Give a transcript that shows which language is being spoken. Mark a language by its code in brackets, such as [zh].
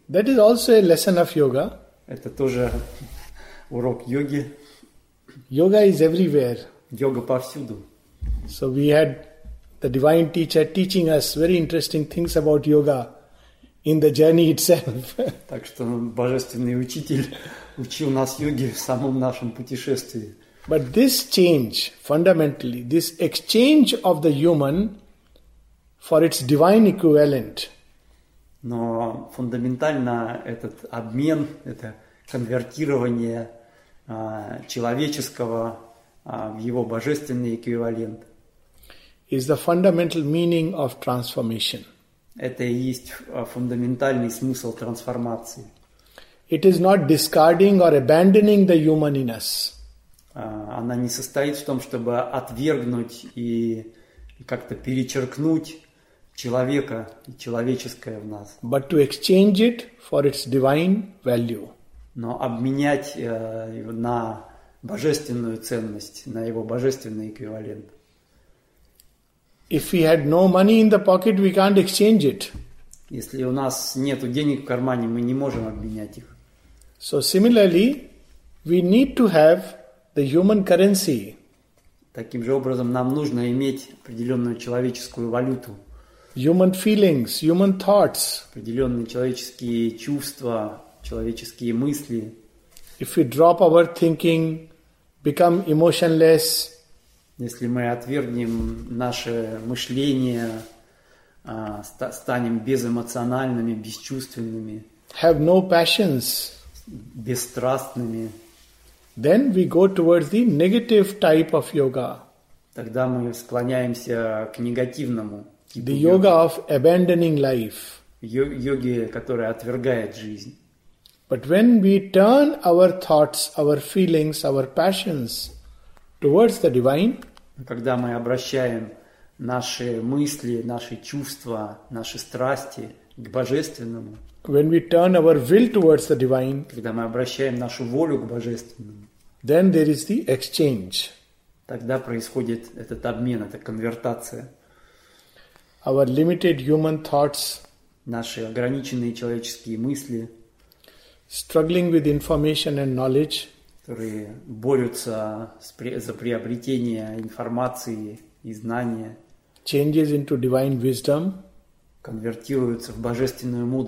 [en] That is also a lesson of yoga. [ru] Это тоже урок йоги. [en] Yoga is everywhere. [ru] Йога повсюду. [en] So we had the divine teacher teaching us very interesting things about yoga in the journey itself. [ru] Так что божественный учитель учил нас йоге в самом нашем путешествии. [en] But this change, fundamentally, this exchange of the human for its divine equivalent. [ru] Но фундаментально этот обмен, это конвертирование человеческого в его божественный эквивалент. [en] Is the fundamental meaning of transformation. [ru] Это и есть фундаментальный смысл трансформации. [en] It is not discarding or abandoning the human in us. [ru] Она не состоит в том, чтобы отвергнуть и как-то перечеркнуть человека и человеческое в нас. [en] But to exchange it for its divine value. [ru] Но обменять на божественную ценность, на его божественный эквивалент. [en] If we had no money in the pocket, we can't exchange it. [ru] Если у нас нету денег в кармане, мы не можем обменять их. [en] So similarly, we need to have the human currency. [ru] Таким же образом, нам нужно иметь определенную человеческую валюту. [en] Human feelings, human thoughts. [ru] Определенные человеческие чувства, человеческие мысли. [en] If we drop our thinking, become emotionless. [ru] Если мы отвергнем наше мышление, станем безэмоциональными, бесчувственными, [en] have no passions, [ru] бесстрастными, [en] then we go towards the negative type of yoga. [ru] Тогда мы склоняемся к негативному типу [en] the yoga of abandoning life. [ru] Йоги, которая отвергает жизнь. [en] But when we turn our thoughts, our feelings, our passions towards the divine, [ru] когда мы обращаем наши мысли, наши чувства, наши страсти к божественному, [en] when we turn our will towards the divine, [ru] когда мы обращаем нашу волю к божественному, [en] then there is the exchange. [ru] Тогда происходит этот обмен, эта конвертация. [en] Our limited human thoughts, [ru] наши ограниченные человеческие мысли, [en] struggling with information and knowledge, [ru] которые борются за приобретение информации и знания, [en] changes into divine wisdom, [ru] конвертируются в божественную